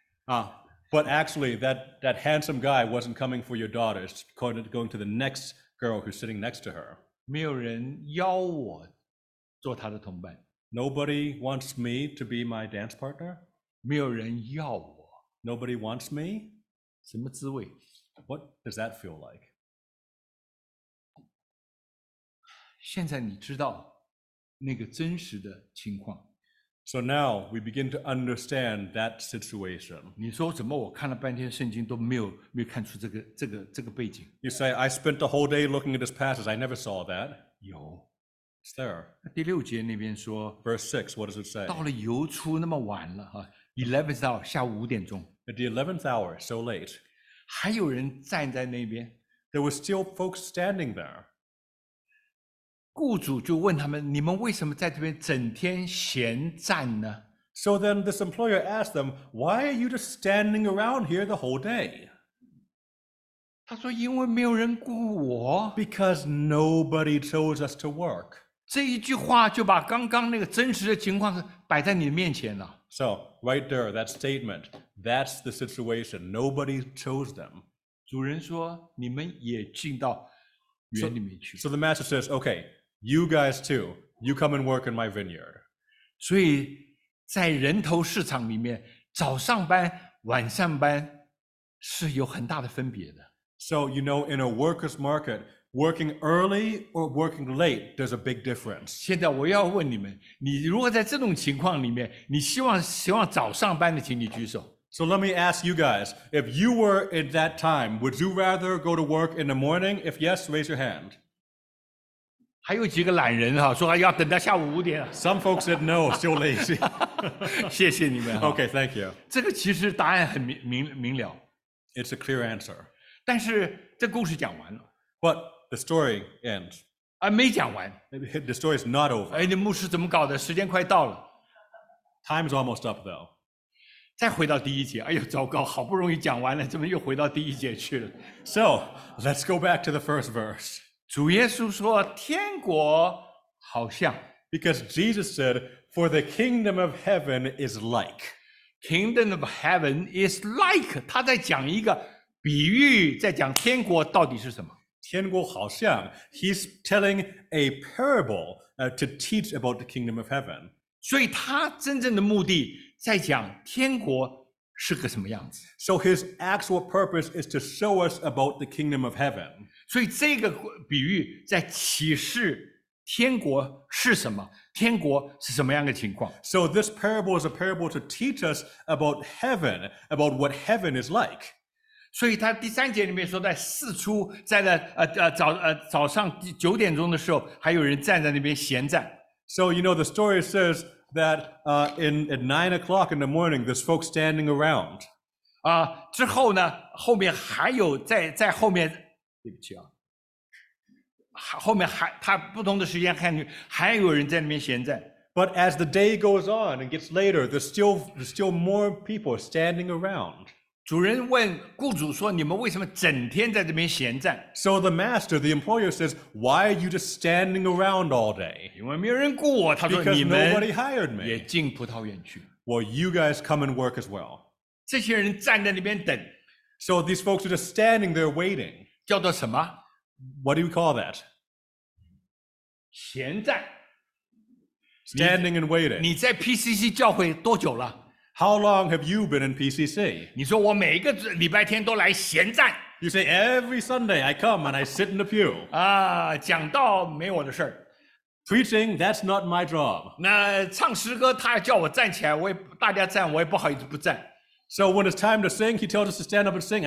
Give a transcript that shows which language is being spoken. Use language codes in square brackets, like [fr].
[en] But actually, that handsome guy wasn't coming for your daughter. It's going to the next girl who's sitting next to her. [zh] 没有人邀我做他的同伴。 [en] Nobody wants me to be my dance partner. [zh] 没有人要我。 [en] Nobody wants me. [zh] 什么滋味 [en] ？What does that feel like? [zh] 现在你知道那个真实的情况。 [en] So now we begin to understand that situation. [zh] 你说怎么我看了半天圣经都没有看出这个背景。 [en] You say, I spent the whole day looking at this passage. I never saw that. [zh] 有。 [en] It's there. [zh] 第六节那边说。 [en] Verse 6, what does it say? [zh] 到了游出那么晚了。 [en] 11th hour, [zh] 下午5:00. [en] At the 11th hour, so late. [zh] 还有人站在那边。 [en] There were still folks standing there. [zh] 雇主就问他们：“你们为什么在这边整天闲站呢 [en] ？”So then this employer asked them, "Why are you just standing around here the whole day?" [zh] 他说：“因为没有人雇我。 [en] ”Because nobody chose us to work. [zh] 这一句话就把刚刚那个真实的情况摆在你的面前了。 [en] So right there, that statement, that's the situation. Nobody chose them. [zh] 主人说：“你们也进到。” [en] So the master says, okay, you guys too, you come and work in my vineyard. [zh] 所以在人头市场里面早上班晚上班是有很大的分别的。 [en] So, you know, in a worker's market, working early or working late, there's a big difference. [zh] 现在我要问你们，你如果在这种情况里面，你希望早上班的请你举手。 [en] So let me ask you guys, if you were at that time, would you rather go to work in the morning? If yes, raise your hand. [zh] 还有几个懒人哈，说要等到下午五点。 [en] Some folks said no, still lazy. [zh] 谢谢你们。 [en] Okay, thank you. [zh] 这个其实答案很明了。 [en] It's a clear answer. [zh] 但是这故事讲完了。 [en] But the story ends. [zh] 啊，没讲完。 [en] The story is not over. [zh] 哎，那牧师怎么搞的？时间快到了。 [en] Time's almost up, though. [zh] 再回到第一节，哎呦，糟糕，好不容易讲完了，怎么又回到第一节去了 [en] ？So let's go back to the first verse. [zh] 主耶稣说，天国好像。 [en] Because Jesus said, "For the kingdom of heaven is like." Kingdom of heaven is like. [zh] 他在讲一个比喻，在讲天国到底是什么。天国好像。 [en] He's telling a parable to teach about the kingdom of heaven. [zh] 所以他真正的目的在讲天国是个什么样子。 [en] So his actual purpose is to show us about the kingdom of heaven. [zh] 所以这个比喻在启示天国是什么，天国是什么样的情况。 [en] So this parable is a parable to teach us about heaven, about what heaven is like. [zh] 所以他第三节里面说，在四初，在那早上九点钟的时候，还有人站在那边闲站。 [en] So you know the story says,that at 9 o'clock in the morning, there's folks standing around. [zh] 啊，之后呢，后面还有在后面，对不起啊，后面还他不同的时间看还有人在那边闲站。 [en] But as the day goes on and gets later, there's still more people standing around. [zh] 主人问雇主说：“你们为什么整天在这边闲站 [en] ？”So the master, the employer says, "Why are you just standing around all day?" [zh] 因为没人雇我，他说你们也进葡萄园去。 [en] Well, you guys come and work as well. [zh] 这些人站在那边等。 [en] So these folks are just standing there waiting. [zh] 叫做什么 [en] ？What do we call that? [zh] 闲站。 [en] Standing and waiting. [zh] 你在 PCC 教会多久了？ [en] How long have you been in PCC? [zh] 你说我每个礼拜天都来闲站。 [en] You say every Sunday I come and I sit in the pew. [zh] 啊，讲道没我的事儿。 [en] Preaching, that's not my job. [zh] 那唱诗歌，他叫我站起来，我也大家站，我也不好意思不站。 [en] So when it's time to sing, he tells us to stand up and sing.